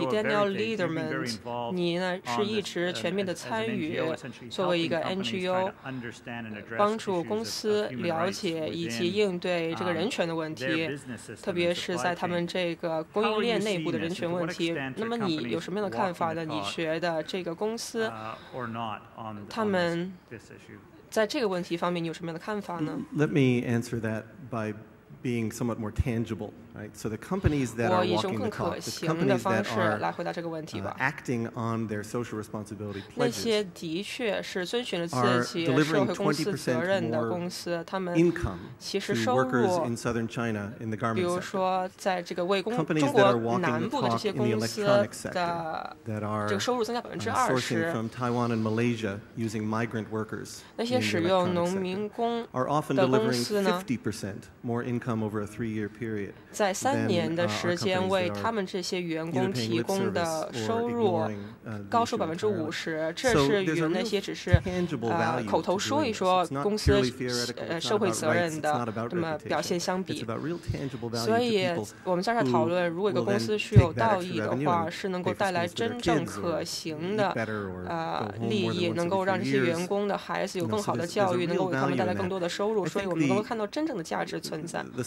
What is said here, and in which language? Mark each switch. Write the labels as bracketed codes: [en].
[zh] Daniel Lederman， 你呢是一直全面的参与，作为一个 NGO， 帮助公司了解以及应对这个人权的问题，特别是在他们这个供应链内部的人权问题。那么你有什么样的看法呢？你觉得这个公司，他们在这个问题方面，你有什么样的看法呢 [en] ？Let me answer that by being somewhat more tangible. Right. So the companies that are walking the talk, the companies that are acting on their social responsibility pledges are delivering 20% more income to workers in southern China in the garment sector. Companies that are walking the talk in the electronics sector that are sourcing from Taiwan and Malaysia using migrant workers in the electronics sector are often delivering 50% more income over a three-year period. [zh] 在三年的时间为他们这些员工提供的收入高出50%，这是与那些只是口头说一说公司社会责任的那么表现相比。所以我们在这讨论，如果一个公司是有道义的话，是能够带来真正可行的利益，能够让这些员工的孩子有更好的教育，能够为他们带来更多的收入，所以我们能够看到真正的价值存在。